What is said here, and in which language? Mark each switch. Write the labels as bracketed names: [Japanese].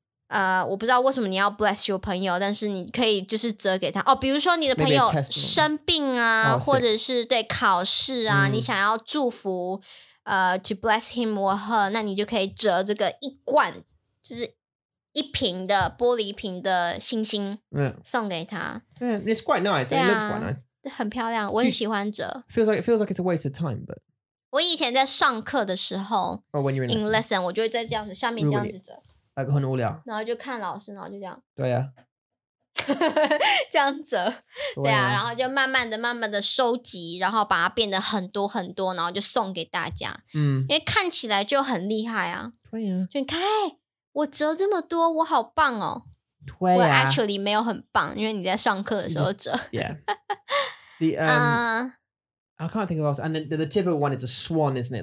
[Chinese] 我不知道为什么你要 [English] bless your [Chinese] 朋友，但是你可以就是折给他哦。比如说你的朋友生病啊，或者是对考试啊，你想要祝福， [English] to bless him or her， [Chinese] 那你就可以折这个一罐，就是一瓶的玻璃瓶的星星送给他。 [English] Yeah, it's quite nice. It looks quite nice. [Chinese] 很漂亮，我很喜欢折。 [English] It feels like it's a waste of time, but [Chinese] 我以前在上课的时候 [English] ，or when you're in lesson, [Chinese] 我就会在这样子下面这样子折。 [English] Like, [Chinese] 很无聊，然后就看老师，然后就这样。对呀、啊，这样折，对呀、啊，然后就慢慢的收集，然后把它变得很多很多，然后就送给大家。嗯，因为看起来就很厉害啊。对呀、啊，就你看，我折这么多，我好棒哦。对呀、啊，我 actually 没有很棒，因为你在上课的时候折。 [English] Yeah. I can't think of else. And the typical one is a swan, isn't it?